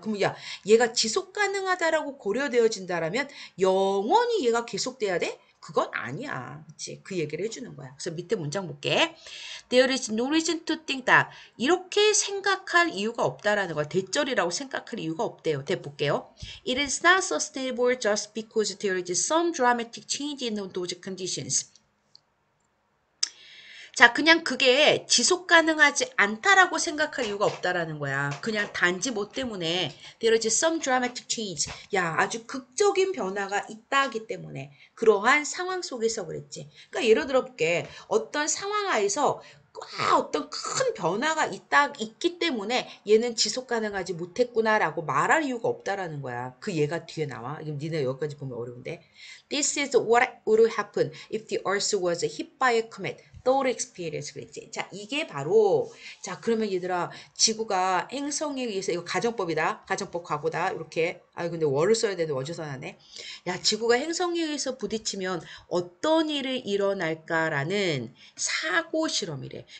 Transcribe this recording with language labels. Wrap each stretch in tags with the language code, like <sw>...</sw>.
<ko>그럼 야, 얘가 지속 가능하다라고 고려되어진다라면 영원히 얘가 계속돼야 돼? 그건 아니야. 그치? 그 얘기를 해주는 거야. 그래서 밑에 문장 볼게.</ko> <en>There is no reason to think that.</en> <ko>이렇게 생각할 이유가 없다라는 거야. 대절이라고 생각할 이유가 없대요. 대 볼게요.</ko> <en>It is not sustainable just because there is some dramatic change in those conditions.</en> <ko>자, 그냥 그게 지속 가능하지 않다라고 생각할 이유가 없다라는 거야. 그냥 단지 뭐 때문에.</ko> <en>There is some dramatic change.</en> <ko>야, 아주 극적인 변화가 있다기 때문에. 그러한 상황 속에서 그랬지. 그러니까 예를 들어 볼게. 어떤 상황 하에서 꽉 어떤 큰 변화가 있기 때문에 얘는 지속 가능하지 못했구나라고 말할 이유가 없다라는 거야. 그 얘가 뒤에 나와. 니네 여기까지 보면 어려운데.</ko> <en>This is what would happen if the earth was hit by a comet. Thought experience</en> <ko>그랬지. 자, 이게 바로, 자, 그러면 얘들아, 지구가 행성에 의해서, 이거 가정법이다. 가정법 과거다. 이렇게. 아유, 근데 월을 써야 되는데 어디서 나네. 야, 지구가 행성에 의해서 부딪히면 어떤 일이 일어날까라는 사고 실험이래.</ko>